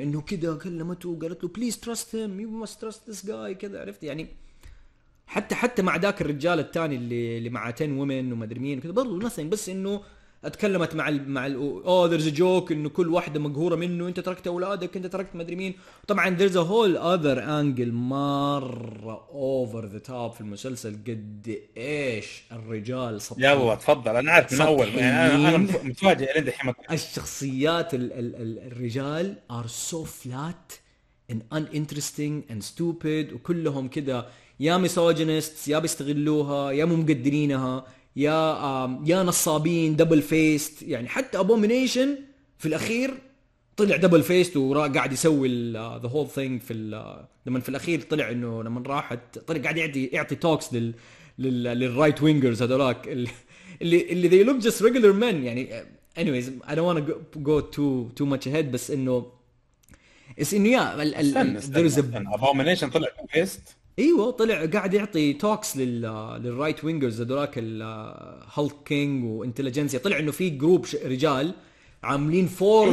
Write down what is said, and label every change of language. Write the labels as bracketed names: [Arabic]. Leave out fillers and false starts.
[Arabic] إنه كده كلمته وقالت له [English] please trust him. You must trust this guy. [Arabic] كده عرفت يعني حتى مع ذاك الرجال الثاني اللي مع 10 women وما أدري مين كده برضو nothing. بس إنه اتكلمت مع الـ مع الـ [English] oh, there's a joke [Arabic] انه كل واحده مقهوره منه, انت تركت اولادك, انت تركت مدري مين. طبعا [English] there's a whole other angle [Arabic] مره [English] over the top [Arabic] في المسلسل قد ايش الرجال سطحي. يلا تفضل, انا عارف من اول انا متفاجئ لين دحين. الشخصيات الرجال [English] are so flat and uninteresting and stupid, [Arabic] وكلهم كده يا misogynist يا بيستغلوها يا مو مقدرينها يا نصابين دبل فيست. يعني حتى ابومينيشن في الاخير طلع دبل فيست وقاعد يسوي ذا هول ثينج في لما في الاخير طلع انه لما راحت طلع قاعد يعطي توكس للرايت وينجرز هذولاك اللي [English] they look just regular men. يعني anyways I don't want to go too much ahead, [Arabic] بس انه اس انه يا ابومينيشن طلع دبل فيست. ايوه طلع قاعد يعطي توكس للرايت وينجرز هذولاك الهالكينج وانتليجنسيا. طلع انه في جروب رجال عاملين فورم.